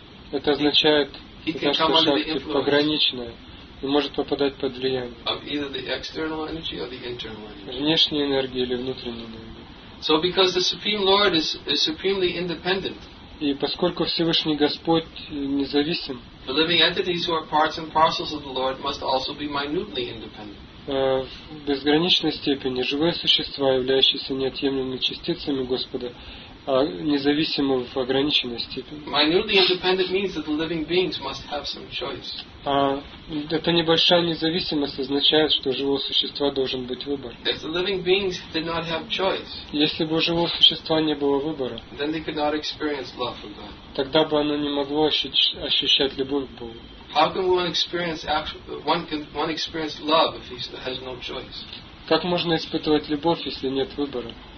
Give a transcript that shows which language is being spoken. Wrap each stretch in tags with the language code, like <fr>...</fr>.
<ru>Это означает, таташта шакти пограничное и может попадать под влияние</ru> <en>of either the external energy or the internal energy.</en> <ru>Внешней энергии или внутренней энергии.</ru> <en>So because the Supreme Lord is supremely independent.</en> <ru>И поскольку Всевышний Господь независим,</ru> <en>the living entities who are parts and parcels of the Lord must also be minutely independent.</en> <ru>В безграничной степени живые существа, являющиеся неотъемлемыми частицами Господа, независимы в ограниченной степени.</ru> <en>Minutely independent means that the living beings must have some choice.</en> <ru>Эта небольшая независимость означает, что у живого существа должен быть выбор.</ru> <en>If the living beings did not have choice,</en> <ru>если бы у живого существа не было выбора,</ru> <en>then they could not experience love for God.</en> <ru>Тогда бы оно не могло ощущать любовь к Богу.</ru> <en>How can one experience love if he has no choice?</en> <ru>Как можно испытывать любовь, если нет выбора?</ru>